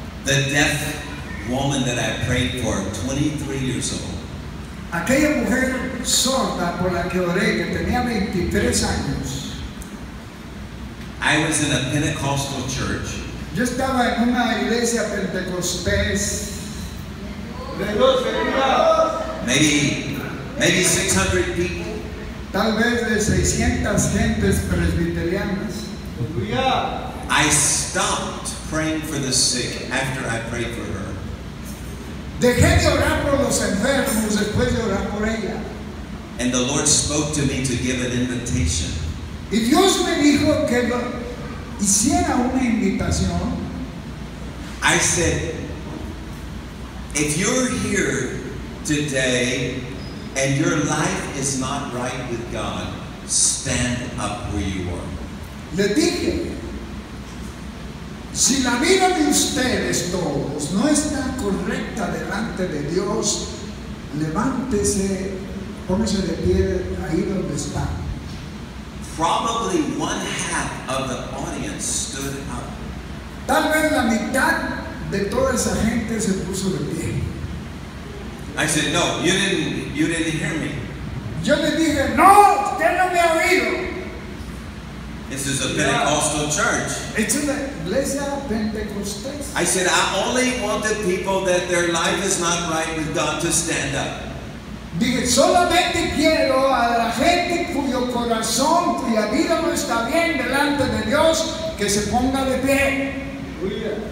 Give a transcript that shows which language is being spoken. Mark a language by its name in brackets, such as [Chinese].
[English] The deaf woman that I prayed for, 23 years old. [Spanish] Aquella mujer sorda por la que oré, que tenía 23 años. [English] I was in a Pentecostal church. [Spanish] Yo estaba en una iglesia pentecostés. [English] Maybe 600 people. [Spanish] Tal vez de 600 gentes presbiterianas. [English] I stopped praying for the sick after I prayed for her. [Spanish] Dejé de orar por los enfermos después de orar por ella. [English] And the Lord spoke to me to give an invitation. [Spanish] Y Dios me dijo que lo hiciera una invitación. [English] I said, if you're here today and your life is not right with God, stand up where you are. [Spanish] Le dije, si la vida de ustedes todos no está correcta delante de Dios, levántese, póngase de pie ahí donde está. [English] Probably one half of the audience stood up. [Spanish] Tal vez la mitad de toda esa gente se puso de pie. [English] I said, no, you didn't hear me. [Spanish] Yo le dije, no, usted no me ha oído. [English] This is a Pentecostal church. [Spanish] It's in the iglesia Pentecostés. [English] I said, I only want the people that their life is not right with God to stand up. [Spanish] Dije, solamente quiero a la gente cuyo corazón, cuya vida no está bien delante de Dios, que se ponga de pie.